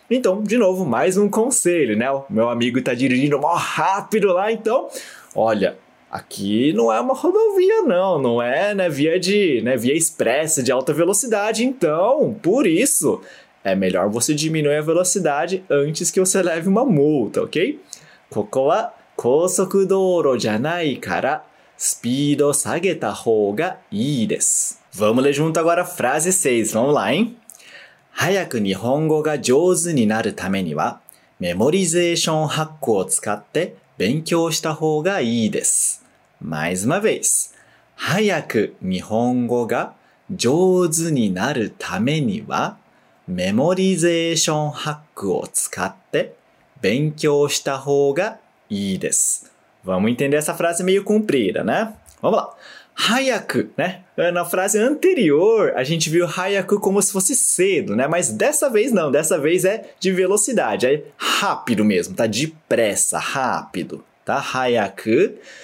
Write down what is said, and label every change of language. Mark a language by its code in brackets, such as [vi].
[pt] Então, de novo, mais um conselho, né? O meu amigo tá dirigindo mó rápido lá, então, olha, aqui não é uma rodovia, não. Não é, né, via expressa de alta velocidade. Então, por isso, é melhor você diminuir a velocidade antes que você leve uma multa, ok? [ja] ここは高速道路じゃないから、スピード下げた方がいいです。 [pt] Vamos ler junto agora a frase 6. Vamos lá, hein? [ja] 早く日本語が上手になるためには、メモリゼーションハックを使って勉強した方がいいです。 [pt] Mais uma vez. [ja] 早く日本語が上手になるためには、メモリゼーションハックを使って勉強した方がいいです。 [pt] Vamos entender essa frase meio comprida, né? Vamos lá. Hayaku, né? Na frase anterior, a gente viu hayaku como se fosse cedo, né? Mas dessa vez não. Dessa vez é de velocidade. É rápido mesmo, tá? Depressa, rápido. Tá? Hayaku.